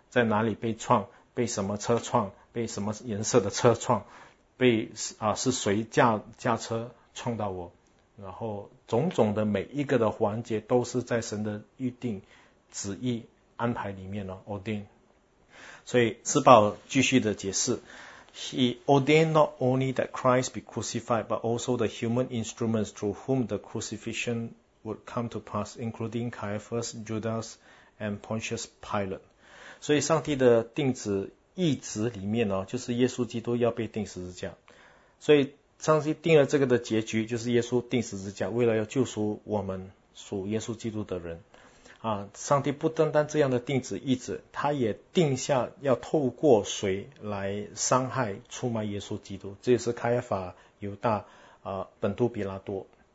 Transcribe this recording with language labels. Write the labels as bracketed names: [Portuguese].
[Chinese] 在哪里被撞？被什么车撞？被什么颜色的车撞？被是谁驾车撞到我？然后种种的每一个的环节都是在神的预定旨意安排里面了，ordain。所以斯鲍继续的解释， [English] He ordained not only that Christ be crucified, but also the human instruments through whom the crucifixion would come to pass, including Caiaphas, Judas, and Pontius Pilate。 [Chinese] 所以，上帝的定旨意旨里面呢，就是耶稣基督要被钉十字架。所以，上帝定了这个的结局，就是耶稣钉十字架，为了要救赎我们。属耶稣基督的人。啊，上帝不单单这样的定旨意志，他也定下要透过谁来伤害出卖耶稣基督，这也是开法犹大本都比拉多。